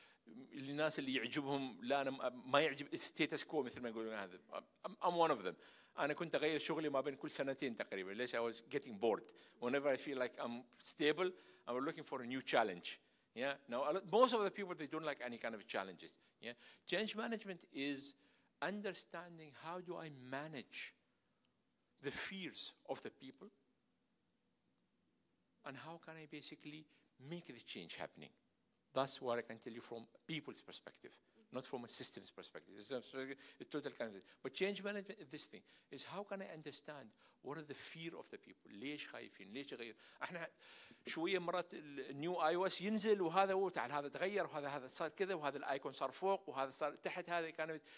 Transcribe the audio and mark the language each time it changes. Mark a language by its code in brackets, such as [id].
[ar] الناس اللي يعجبهم لا أنا ما يعجب status quo مثل ما يقولون هذا. [en] I'm one of them. [ar] أنا كنت أغير شغلي ما بين كل سنتين تقريبا. ليش؟ [en] I was getting bored. Whenever I feel like I'm stable, I'm looking for a new challenge. Yeah. Now most of the people, they don't like any kind of challenges. Yeah. Change management is understanding how do I manage the fears of the people and how can I basically make the change happening. That's what I can tell you from people's perspective, not from a systems perspective. It's total kind of thing. But change management, this thing, is how can I understand what are the fear of the people? [ar] ليش خايفين؟ ليش غير؟ احنا شوية مرات النيو آي أو إس ينزل وهذا هو تعال هذا تغير وهذا هذا صار كذا وهذا الآيكون صار فوق وهذا صار تحت هذا [en] kind of it.